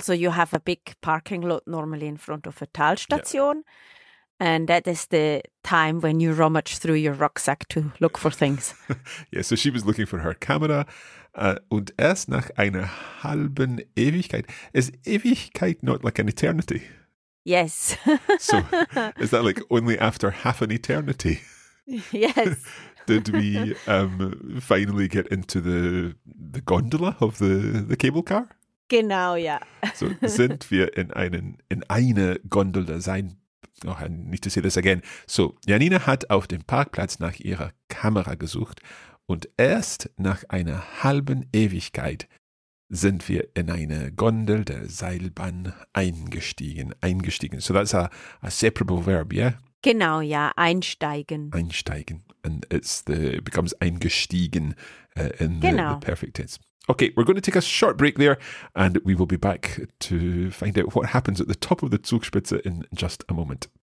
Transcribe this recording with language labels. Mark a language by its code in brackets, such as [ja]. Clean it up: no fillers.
[en] So you have a big parking lot normally in front of a Talstation. Yeah. And that is the time when you rummage through your rucksack to look for things. Yeah, so she was looking for her camera. [de] Und erst nach einer halben Ewigkeit. [en] Is Ewigkeit not like an eternity? Yes. So is that like only after half an eternity? Yes. Did we finally get into the gondola of the cable car? [de] Genau, ja. So sind wir in eine Gondola sein. [en] Oh, I need to say this again. [de] So Janina hat auf dem Parkplatz nach ihrer Kamera gesucht und erst nach einer halben Ewigkeit sind wir in eine Gondel der Seilbahn eingestiegen. [en] So that's a separable verb, yeah? [de] Genau, ja, einsteigen. Einsteigen. [en] And it becomes eingestiegen in the perfect tense. Okay, we're going to take a short break there and we will be back to find out what happens at the top of the Zugspitze in just a moment.